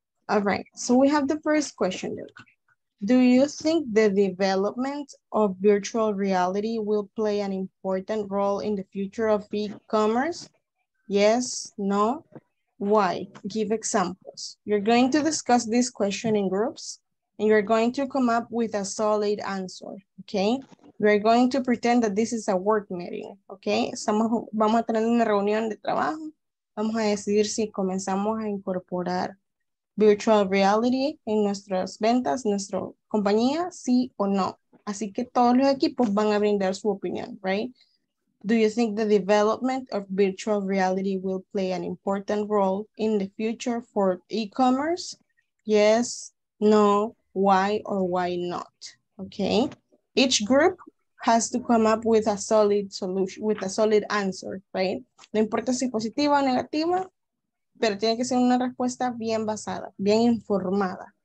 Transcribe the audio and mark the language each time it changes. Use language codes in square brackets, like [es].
[en] All right, so we have the first question. Do you think the development of virtual reality will play an important role in the future of e-commerce? Yes, no, why? Give examples. You're going to discuss this question in groups. And you're going to come up with a solid answer, okay? We're going to pretend that this is a work meeting, okay? [es] Estamos, vamos a tener una reunión de trabajo. Vamos a decidir si comenzamos a incorporar virtual reality en nuestras ventas, nuestra compañía, sí o no. Así que todos los equipos van a brindar su opinión, right? [en] Do you think the development of virtual reality will play an important role in the future for e-commerce? Yes. No, why or why not? Okay. Each group has to come up with a solid solution, with a solid answer, right? [es] No importa si positiva o negativa, pero tiene que ser una respuesta bien basada, bien informada.